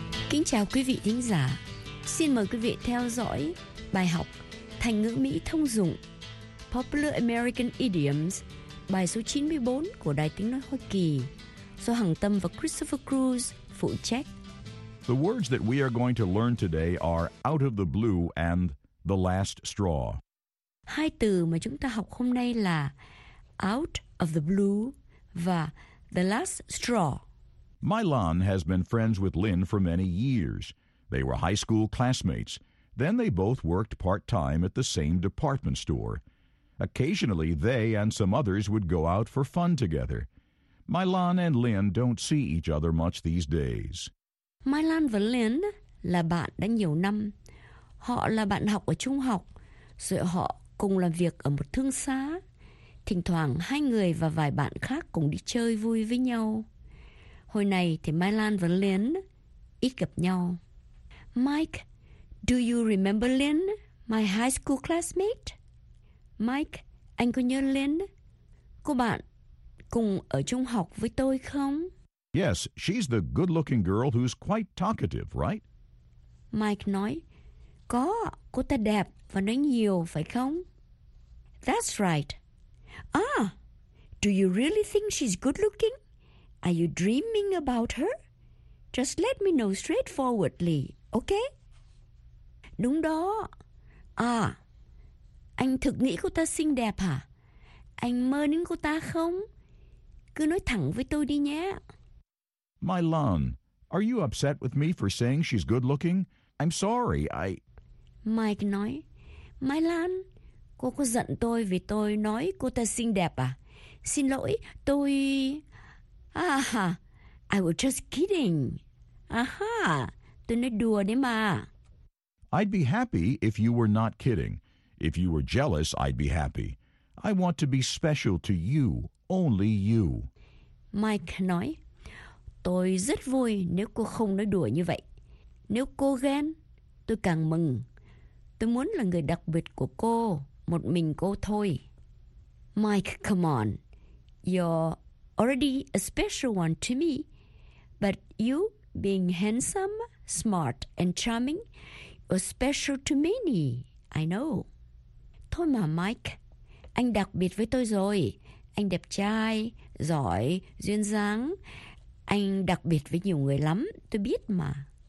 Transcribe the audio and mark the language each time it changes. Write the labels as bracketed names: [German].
[Vietnamese] Kính chào quý vị thính giả. Xin mời quý vị theo dõi bài học Thành ngữ Mỹ thông dụng [English] Popular American Idioms, [Vietnamese] bài số 94 của Đài Tiếng Nói Hoa Kỳ, do Hằng Tâm và Christopher Cruz phụ trách. [English] The words that we are going to learn today are out of the blue and the last straw. [Vietnamese] Hai từ mà chúng ta học hôm nay là [English] out of the blue [Vietnamese] và [English] the last straw. Mylon has been friends with Lynn for many years. They were high school classmates. Then they both worked part-time at the same department store. Occasionally, they and some others would go out for fun together. Mylon and Lynn don't see each other much these days. [Vietnamese] Mylon và Lynn là bạn đã nhiều năm. Họ là bạn học ở trung học, rồi họ cùng làm việc ở một thương xá. Thỉnh thoảng, hai người và vài bạn khác cùng đi chơi vui với nhau. Hồi này thì Mylon và Lynn ít gặp nhau. [English] Mike, do you remember Lynn, my high school classmate? [Vietnamese] Mike, anh có nhớ Lynn, cô bạn cùng ở trung học với tôi không? [English] Yes, she's the good-looking girl who's quite talkative, right? [Vietnamese] Mike nói, có, cô ta đẹp và nói nhiều, phải không? [English] That's right. Ah, do you really think she's good-looking? Are you dreaming about her? Just let me know straightforwardly, okay? [Vietnamese] Đúng đó. À, anh thực nghĩ cô ta xinh đẹp hả? Anh mơ đến cô ta không? Cứ nói thẳng với tôi đi nhé. [English] Mylon, are you upset with me for saying she's good looking? I'm sorry, I... [Vietnamese] Mike nói, Mylon, cô có giận tôi vì tôi nói cô ta xinh đẹp à? Xin lỗi, tôi... [English] Aha, I was just kidding. [Vietnamese] Aha, tôi nói đùa đấy mà. [English] I'd be happy if you were not kidding. If you were jealous, I'd be happy. I want to be special to you, only you. [Vietnamese] Mike nói, tôi rất vui nếu cô không nói đùa như vậy. Nếu cô ghen, tôi càng mừng. Tôi muốn là người đặc biệt của cô, một mình cô thôi. [English] Mike, come on. You're already a special one to me. But you, being handsome, smart, and charming, you're special to many, I know. [Vietnamese] Thôi mà Mike, anh đặc biệt với tôi rồi. Anh đẹp trai, giỏi, duyên dáng. Anh đặc biệt với nhiều người lắm, tôi biết mà.